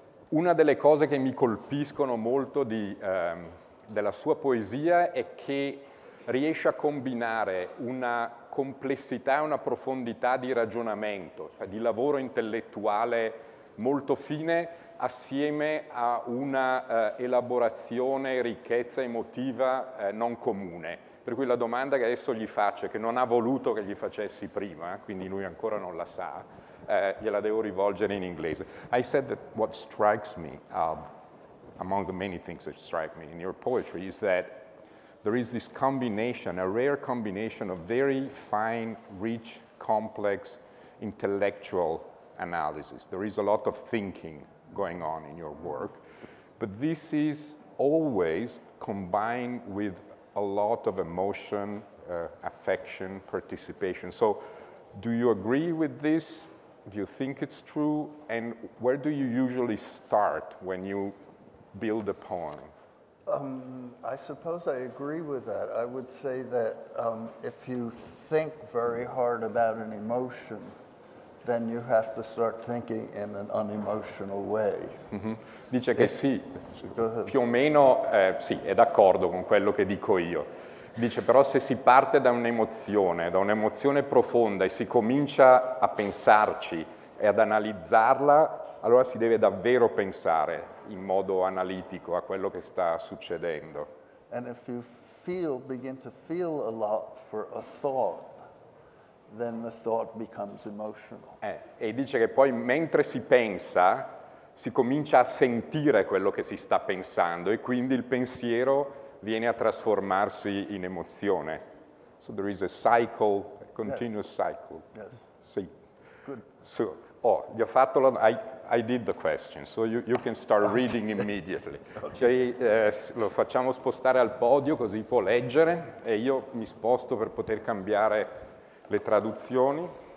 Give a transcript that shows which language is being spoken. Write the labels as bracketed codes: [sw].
[it] Una delle cose che mi colpiscono molto della sua poesia è che riesce a combinare una complessità e una profondità di ragionamento, cioè di lavoro intellettuale molto fine, assieme a una elaborazione, ricchezza emotiva non comune. Per cui la domanda che adesso gli faccio, che non ha voluto che gli facessi prima, quindi lui ancora non la sa, gliela devo rivolgere in inglese. [en] I said that what strikes me, among the many things that strike me in your poetry, is that there is this combination, a rare combination of very fine, rich, complex intellectual analysis. There is a lot of thinking going on in your work, but this is always combined with a lot of emotion, affection, participation. So, do you agree with this? Do you think it's true? And where do you usually start when you build a poem? I suppose I agree with that. I would say that if you think very hard about an emotion, then you have to start thinking in an unemotional way. [it] Dice che [en] If, [it] sì, [en] go [it] più o meno sì, è d'accordo con quello che dico io. Dice però se si parte da un'emozione profonda e si comincia a pensarci e ad analizzarla, allora si deve davvero pensare in modo analitico a quello che sta succedendo. [en] And if you begin to feel a lot for a thought, then the thought becomes emotional. [it] E dice che poi mentre si pensa, si comincia a sentire quello che si sta pensando e quindi il pensiero viene a trasformarsi in emozione. [en] So there is a cycle, a continuous cycle. [it] Sì. [en] So, [it] gli ho fatto [en] I did the question, so you can start reading immediately. [it] Cioè, lo facciamo spostare al podio così può leggere e io mi sposto per poter cambiare le traduzioni.